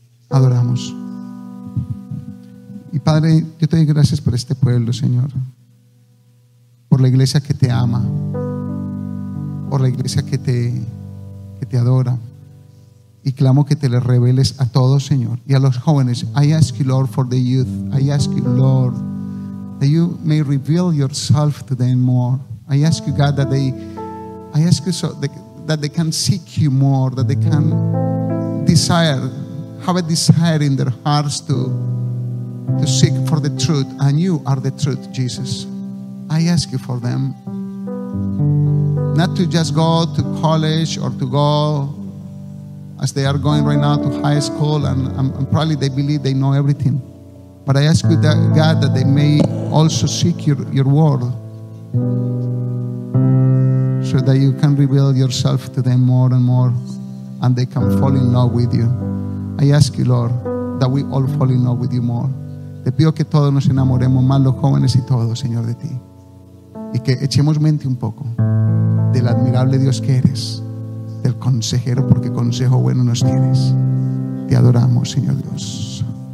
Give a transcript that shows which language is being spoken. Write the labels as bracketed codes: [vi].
[es] Adoramos. Y Padre, yo te doy gracias por este pueblo, Señor, por la iglesia que te ama, por la iglesia que te adora. Y clamo que te le reveles a todos, Señor, y a los jóvenes. [en] I ask you, Lord, for the youth. I ask you, Lord, that you may reveal yourself to them more. I ask you, God, that they can seek you more, that they can desire, have a desire in their hearts to seek for the truth. And you are the truth, Jesus. I ask you for them. Not to just go to college or to go as they are going right now to high school, and probably they believe they know everything. But I ask you that, God, that they may also seek your word, so that you can reveal yourself to them more and more, and they can fall in love with you. I ask you, Lord, that we all fall in love with you more. [es] Te pido que todos nos enamoremos más, los jóvenes y todos, Señor, de ti. Y que echemos mente un poco del admirable Dios que eres, del consejero, porque consejo bueno nos tienes. Te adoramos, Señor Dios.